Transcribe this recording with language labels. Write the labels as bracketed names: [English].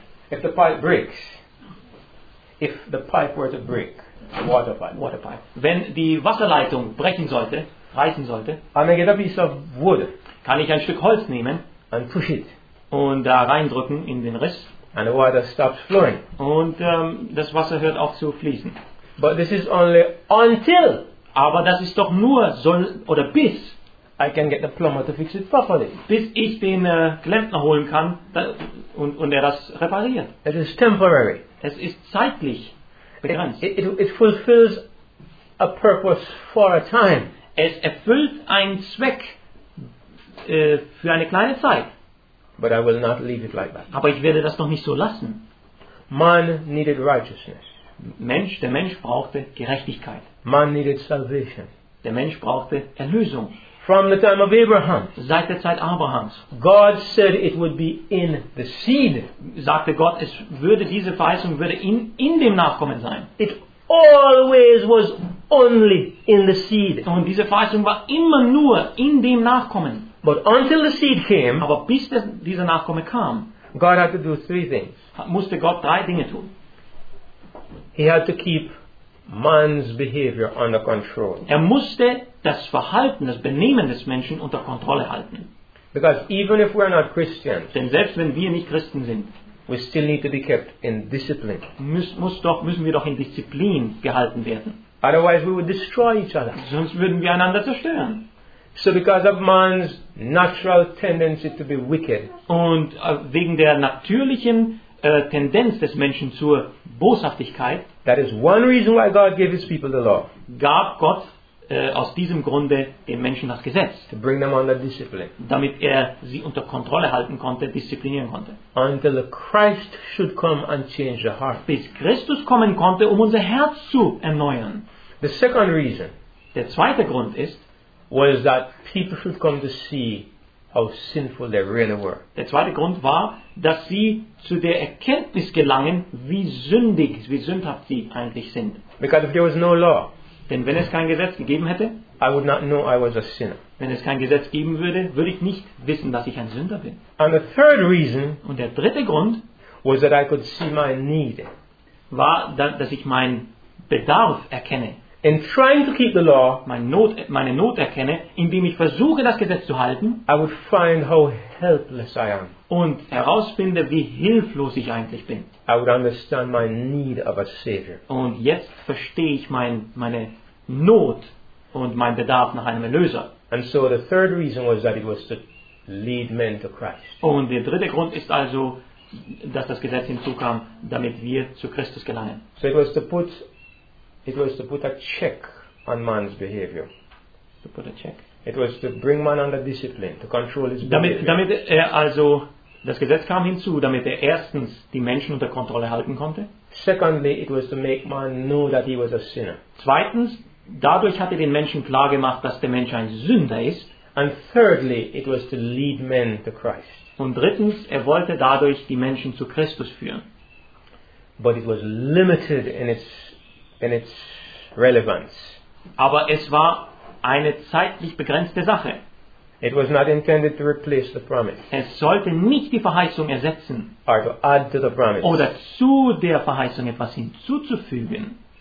[English] If the pipe breaks, if the pipe were to break, water pipe. [German] Wenn die Wasserleitung brechen sollte, reichen sollte. [English] And I get a piece of wood. [German] Kann ich ein Stück Holz nehmen? [English] And push it. [German] Und da reindrücken in den Riss. [English] And the water stops flowing. [German] Und das Wasser hört auf zu fließen. [English] But this is only until. [German] Aber das ist doch nur so oder bis. [English] I can get the plumber to fix it properly. [German] Bis ich den Klempner holen kann da, und er das repariert. [English] It is temporary. [German] Es ist zeitlich begrenzt. [English] It fulfills a purpose for a time. [German] Es erfüllt einen Zweck für eine kleine Zeit. [English] But I will not leave it like that. [German] Aber ich werde das noch nicht so lassen. [English] Man needed righteousness. [German] Der Mensch brauchte Gerechtigkeit. [English] Man needed salvation. [German] Der Mensch brauchte Erlösung. [English] From the time of Abraham. [German] Seit der Zeit Abrahams. [English] God said it would be in the seed. [German] Sagte Gott, es würde diese Verheißung würde in dem Nachkommen sein. [English] It always was only in the seed. [German] Und diese Verheißung war immer nur in dem Nachkommen. [English] But until the seed came. [German] Aber bis dieser Nachkomme kam. [English] God had to do three things. [German] Musste Gott drei Dinge tun. [English] He had to keep man's behavior under control. [German] Er musste das Verhalten, das Benehmen des Menschen unter Kontrolle halten. [English] Because even if we're not Christians, [German] denn selbst wenn wir nicht Christen sind, [English] we still need to be kept in discipline. [German] Müssen wir doch in Disziplin gehalten werden. [English] Otherwise we would destroy each other. [German] Sonst würden wir einander zerstören. [English] So because of man's natural tendency to be wicked. [German] Und wegen der natürlichen Tendenz des Menschen zur Boshaftigkeit. [English] That is one reason why God gave his people the law. [German] Gab Gott aus diesem Grunde den Menschen das Gesetz. [English] To bring them under discipline. [German] Damit er sie unter Kontrolle halten konnte, disziplinieren konnte. [English] Until Christ should come and change the heart. [German] Bis Christus kommen konnte, um unser Herz zu erneuern. [English] The second reason. [German] Der zweite Grund ist. [English] Was that people should come to see how sinful they really were. [German] Der zweite Grund war, dass sie zu der Erkenntnis gelangen, wie sündhaft sie eigentlich sind. [English] Because if there was no law, [German] denn wenn es kein Gesetz gegeben hätte, [English] I would not know I was a sinner. [German] Wenn es kein Gesetz geben würde, würde ich nicht wissen, dass ich ein Sünder bin. [English] And the third reason, [German] und der dritte Grund, [English] was that I could see my need. [German] War, dass ich meinen Bedarf erkenne. [English] In trying to keep the law, [German] meine Not erkenne, indem ich versuche, das Gesetz zu halten, [English] I would find how helpless I am. [German] Und herausfinde, wie hilflos ich eigentlich bin. [English] I would understand my need of a savior. [German] Und jetzt verstehe ich meine Not und meinen Bedarf nach einem Erlöser. [English] And so the third reason was that it was to lead men to Christ. [German] Und der dritte Grund ist also, dass das Gesetz hinzukam, damit wir zu Christus gelangen. [English] So it was to put. It was to put a check on man's behavior. To put a check. It was to bring man under discipline, to control his behavior. [German] Damit er also, das Gesetz kam hinzu, damit er erstens die Menschen unter Kontrolle halten konnte. [English] Secondly, it was to make man know that he was a sinner. [German] Zweitens, dadurch hat er den Menschen klar gemacht, dass der Mensch ein Sünder ist. [English] And thirdly, it was to lead men to Christ. [German] Und drittens, er wollte dadurch die Menschen zu Christus führen. [English] But it was limited in its relevance. [German] Aber es war eine zeitlich begrenzte Sache. [English] It was not intended to replace the promise. [German] Es sollte nicht die Verheißung ersetzen. [English] Or to add to the promise. [German] Oder zu der Verheißung etwas hinzuzufügen.